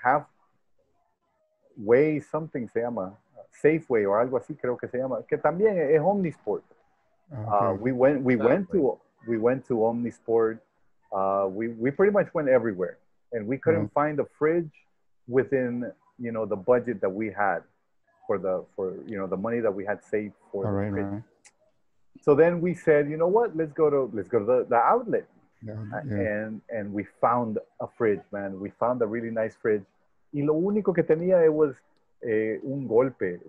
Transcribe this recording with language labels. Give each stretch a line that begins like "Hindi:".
English: Half Way something
Spanish: se llama Safeway or algo así creo que se llama que también es Omnisport.
English: We went to Omnisport. We pretty much went everywhere and we couldn't find a fridge within, you know, the budget that we had for you know, the money that we had saved for all the right, fridge. Right. So then we said, you know what, let's go to the outlet. Yeah. And we found a fridge, man. We found a really nice fridge.
Spanish: Y lo único que tenía,
English: it was
Spanish: un golpe.